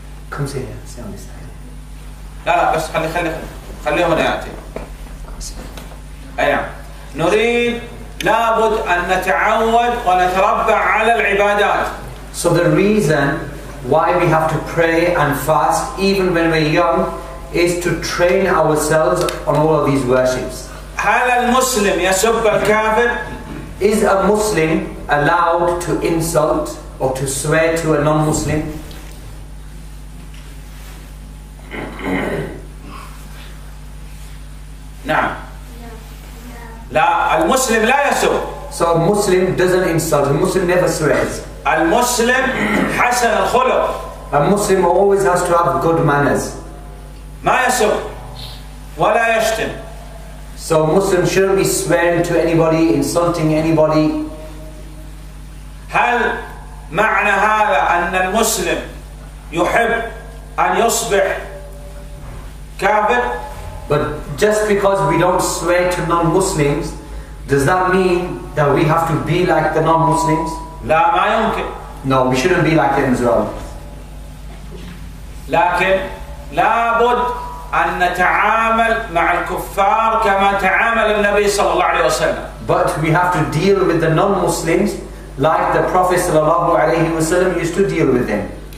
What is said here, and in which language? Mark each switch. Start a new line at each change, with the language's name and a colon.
English: Come see here. See on this side.
Arabic: لا لا بس خلي هنا يأتي. أيام. نريد. لابد أن نتعود ونتربى على العبادات.
English: So the reason why we have to pray and fast even when we're young is to train ourselves on all of these worships.
Arabic: هل المسلم يسب الكافر؟
English: Is a Muslim allowed to insult or to swear to a non-Muslim?
Arabic: نعم. لا المسلم لا يسب.
English: So a Muslim doesn't insult. A Muslim never swears.
Arabic: المسلم حسن الخلق.
English: A Muslim always has to have good manners.
Arabic: ما يسب ولا يشتم.
English: So a Muslim shouldn't be swearing to anybody, insulting anybody.
Arabic: هل معنى هذا أن المسلم يحب أن يصبح كافر؟
English: But just because we don't swear to non-Muslims, does that mean that we have to be like the non-Muslims?
Arabic: لا ما يمكن.
English: No, we shouldn't be like them as well.
Arabic: لكن لابد أن نتعامل مع الكفار كما تعامل النبي صلى الله عليه وسلم.
English: But we have to deal with the non-Muslims like the Prophet
Arabic: صلى الله عليه وسلم
English: used to deal with them.